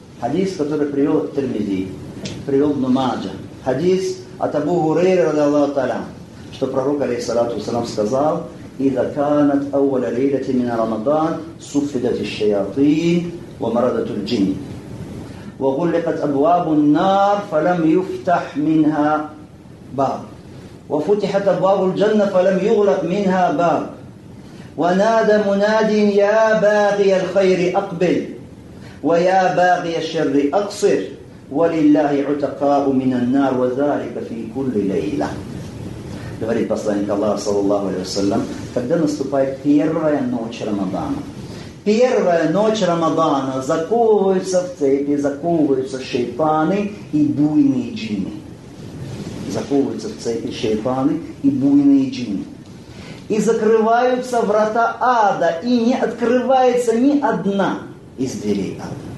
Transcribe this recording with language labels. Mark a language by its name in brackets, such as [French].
[Russian] Хадис, который привел Тирмизи, привел Нумаджа. Хадис от Абу Хурейры, радиаллаху таала, что пророк, алейхиссалату вассалам, сказал: «Иза канат ауаля лейлати мина Рамадан, суффидати шайатин, ва марадату джинн». [Arabic] وغلقت أبواب النار فلم يفتح منها باب وفتحت أبواب الجنة فلم يغلق منها باب ونادى مناد يا باغي الخير أقبل ويا باغي الشر أقصر ولله عتقاء من النار وذلك في كل ليلة. [Russian] Говорит посланник Аллаха صلى الله عليه وسلم, когда наступает первая ночь Рамадана. Первая ночь Рамадана, заковываются в цепи, заковываются шайтаны и буйные джинны. Заковываются в цепи шайтаны и буйные джинны. И закрываются врата ада, и не открывается ни одна из дверей ада.